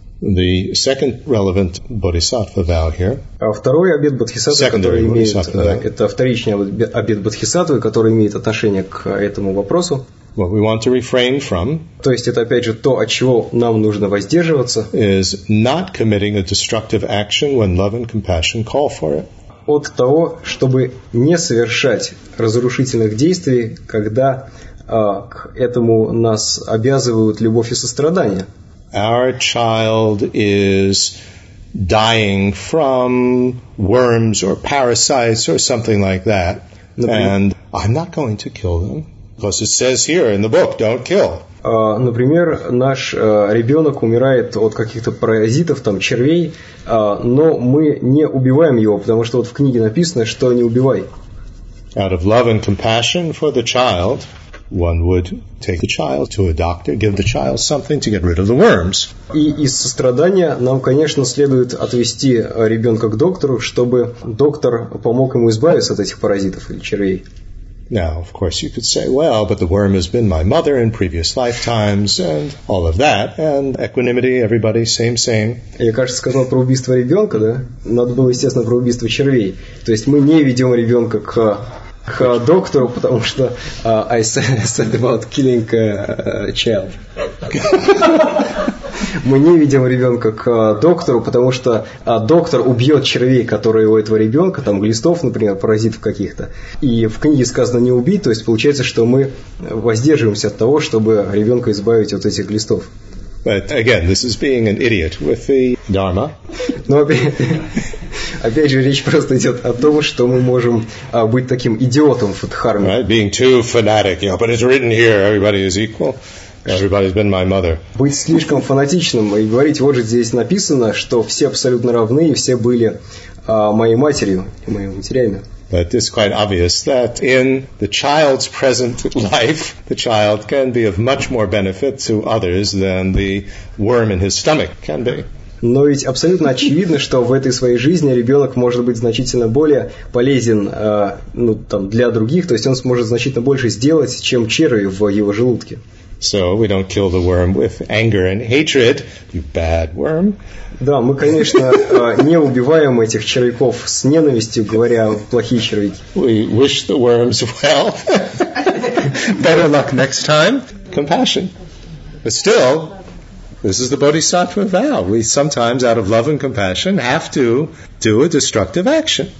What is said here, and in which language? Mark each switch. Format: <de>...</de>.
<en>The second relevant bodhisattva vow here.</en> <ru>Второй обет бодхисаттвы, который имеет, это вторичный обет бодхисаттвы, который имеет отношение к этому вопросу.</ru> <en>What we want to refrain from.</en> <ru>То есть это опять же то, от чего нам нужно воздерживаться.</ru> <en>Is not committing a destructive action when love and compassion call for it.</en> <ru>От того, чтобы не совершать разрушительных действий, когда к этому нас обязывают любовь и сострадание.</ru> <en>Our child is dying from worms or parasites or something like that.</en> <ru>Например,</ru> <en>and I'm not going to kill them. Because it says here in the book, don't kill.</en> <ru>Например, наш ребенок умирает от каких-то паразитов, там, червей, но мы не убиваем его, потому что вот в книге написано, что не убивай.</ru> <en>Out of love and compassion for the child, one would take the child to a doctor, give the child something to get rid of the worms.</en> <ru>И из сострадания нам, конечно, следует отвести ребенка к доктору, чтобы доктор помог ему избавиться от этих паразитов или червей.</ru> <en>Now, of course, you could say, well, but the worm has been my mother in previous lifetimes and all of that, and equanimity, everybody, same, same.</en> <ru>Я, кажется, сказал про убийство ребенка, да? Надо было, естественно, про убийство червей. То есть мы не ведем ребенка к доктору, потому что</ru> <en>I said about killing a child.</en> <ru>Мы не ведем ребенка к доктору, потому что доктор убьет червей, которые у этого ребенка, там глистов, например, паразитов каких-то. И в книге сказано не убить, то есть получается, что мы воздерживаемся от того, чтобы ребенка избавить от этих глистов.</ru> <en>But again, this is being an idiot with the dharma.</en> <ru>Но опять же, речь просто идет о том, что мы можем быть таким идиотом в дхарме.</ru> <en>Right, being too fanatic, you know, but it's written here, everybody is equal. Everybody's been my mother.</en> <ru>Быть слишком фанатичным и говорить, вот же здесь написано, что все абсолютно равны и все были моей матерью и моими матерями.</ru> <en>But it's quite obvious that in the child's present life, the child can be of much more benefit to others than the worm in his stomach can be.</en> <ru>Но ведь абсолютно очевидно, что в этой своей жизни ребенок может быть значительно более полезен ну, там, для других, то есть он сможет значительно больше сделать, чем черви в его желудке.</ru> <en>So we don't kill the worm with anger and hatred, you bad worm.</en> <ru>Да, мы, конечно, не убиваем этих червяков с ненавистью, говоря, плохие червяки.</ru> <en>We wish the worms well. Better luck next time. Compassion. But still, this is the Bodhisattva vow. We sometimes, out of love and compassion, have to do a destructive action.</en>